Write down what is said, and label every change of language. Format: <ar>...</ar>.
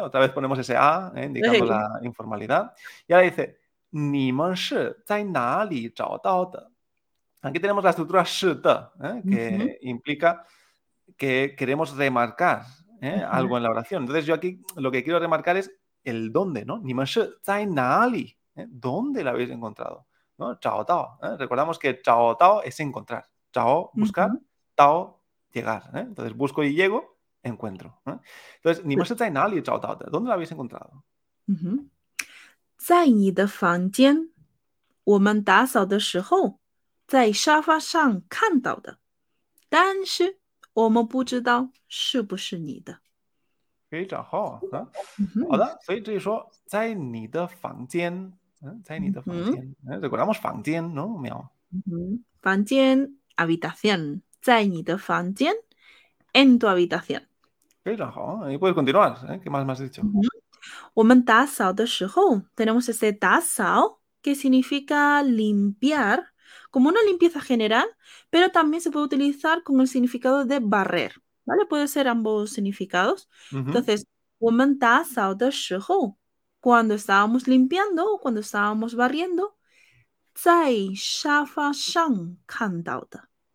<es>Otra vez ponemos ese A, ¿eh? Indicando la informalidad. Y ahora dice,</es> <zh>¿你们是在哪里找到的?</zh> <es>Aquí tenemos la estructura 是的, ¿eh? Que implica que queremos remarcar, ¿eh? Algo en la oración. Entonces yo aquí lo que quiero remarcar es el dónde, ¿no?</es> <zh>¿你们是在哪里?¿Eh?</zh> <es>¿Dónde la habéis encontrado? ¿No? 找到, ¿eh? Recordamos que 找到 es encontrar. 找, buscar. 到, llegar, ¿eh? Entonces busco y llego, encuentro, ¿eh? Entonces,</es> <zh>¿你们是在哪里找到的?</zh> <es>¿Dónde la habéis encontrado?</es> <zh>在你的房间，我们打扫的时候，在沙发上看到的，但是我们不知道是不是你的。非常好啊，好的，所以这就说在你的房间，在你的房间，</zh> <es>recordamos</es> <zh>房间，no 没有？房间，habitación，在你的房间，</zh> <es>en tu habitación。</es> <zh>非常好，</zh> <es>你 puedes continuar，¿qué más has dicho？</es> <zh>我们打扫的时候，</zh> <es>tenemos ese 打扫 que significa limpiar, como una limpieza general, pero también se puede utilizar con el significado de barrer, ¿vale? Puede ser ambos significados. Entonces,</es> <zh>我们打扫的时候，</zh> <es>cuando estábamos limpiando o cuando estábamos barriendo，</es> <zh>在沙发上看到的。</zh>